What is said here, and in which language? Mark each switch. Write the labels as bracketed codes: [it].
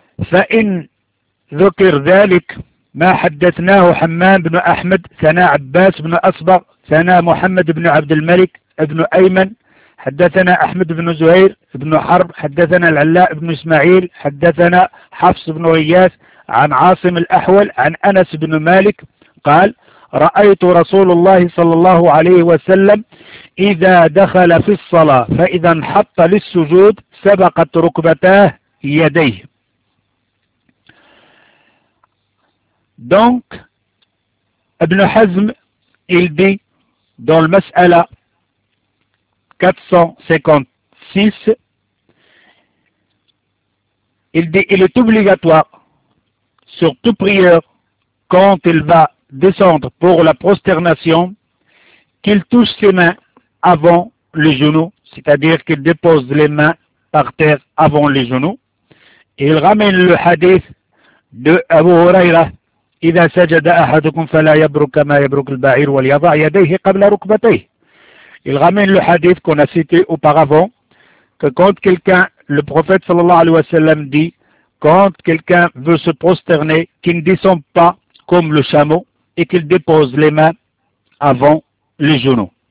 [ar] فإن ذكر ذلك ما حدثناه حمام بن أحمد ثنا عباس بن أصبغ ثنا محمد بن عبد الملك بن أيمن، حدثنا أحمد بن زهير بن حرب، حدثنا العلاء بن إسماعيل، حدثنا حفص بن غياث عن عاصم الأحول عن أنس بن مالك قال: رأيت رسول الله صلى الله عليه وسلم إذا دخل في الصلاة فإذا انحط للسجود سبقت ركبتاه يديه. دونك ابن حزم إلبي دون المسألة 456, [fr] il dit, il est obligatoire sur tout prieur, quand il va descendre pour la prosternation, qu'il touche ses mains avant les genoux, c'est-à-dire qu'il dépose les mains par terre avant les genoux. Il ramène le hadith de Abu Huraira: [ar] إذا سجد أحدكم فلا يبرك كما يبرك البعير وليضع يديه قبل ركبتيه. [fr] Il ramène le hadith qu'on a cité auparavant, que quand quelqu'un, le prophète sallallahu alayhi wa sallam dit, quand quelqu'un veut se prosterner, qu'il ne descende pas comme le chameau et qu'il dépose les mains avant les genoux.